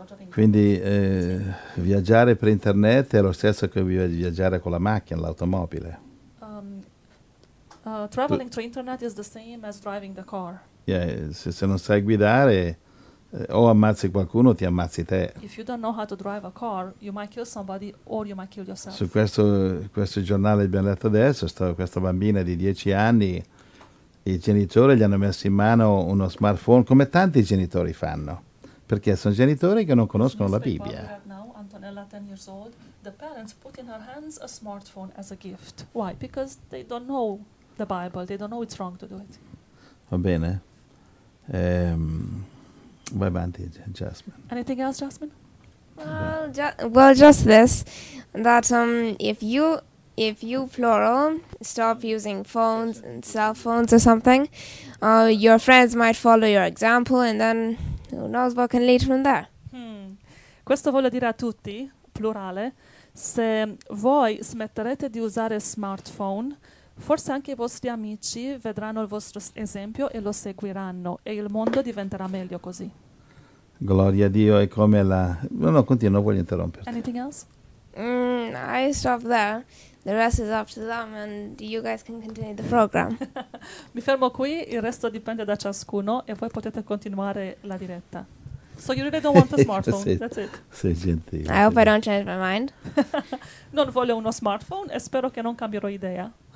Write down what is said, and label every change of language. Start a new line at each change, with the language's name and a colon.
Italian: Quindi viaggiare per internet è lo stesso che viaggiare con la macchina, l'automobile.
English: Traveling through internet is the same as driving the car.
Italian: Yeah, se non sai guidare, o ammazzi qualcuno o ti ammazzi te.
English: If you don't know how to drive a car, you might kill somebody or you might kill yourself.
Italian: Su questo giornale che abbiamo letto adesso, questa bambina di 10 anni, i genitori gli hanno messo in mano uno smartphone, come tanti genitori fanno, perché sono genitori che non conoscono la Bibbia.
English: Antonella, 10 years old, the parents put in her hands a smartphone as a gift. Why? Because they don't know the Bible, they don't know it's wrong to do it.
Italian: Va bene. Vai avanti, Jasmine.
English: Anything else, Jasmine? Just this, that if you plural stop using phones and cell phones or something, your friends might follow your example, and then who knows what can lead from there.
Italian: Questo voglio dire a tutti, plurale, se voi smetterete di usare smartphone, forse anche i vostri amici vedranno il vostro esempio e lo seguiranno, e il mondo diventerà meglio così. Gloria a Dio, è come la... No, continua, non voglio interromperti.
English: Anything else? I stop there. The rest is up to them and you guys can continue the program.
Italian: Mi fermo qui, il resto dipende da ciascuno e voi potete continuare la diretta.
English: So you really don't want a smartphone, that's it.
Italian: Sei gentile.
English: I hope I don't change my mind.
Italian: Non voglio uno smartphone e spero che non cambierò idea.